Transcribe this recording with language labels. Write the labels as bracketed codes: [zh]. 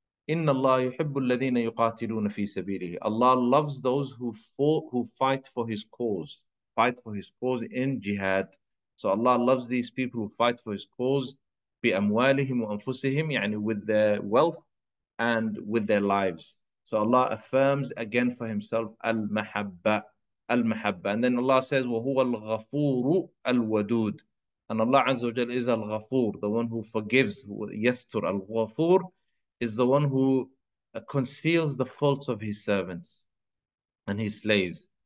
[ar] إن الله يحب الذين يقاتلون في سبيله. [en] Allah loves those who fight for his cause, fight for his cause in jihad. So Allah loves these people who fight for his cause [ar] بأموالهم وأنفسهم, [en] يعني with their wealth and with their lives. So Allah affirms again for himself المحبة, المحبة. And then Allah says [ar] وهو الغفور الودود. [en] And Allah عز وجل is الغفور, the one who forgives, who يستر. الغفور is the one who conceals the faults of his servants and his slaves.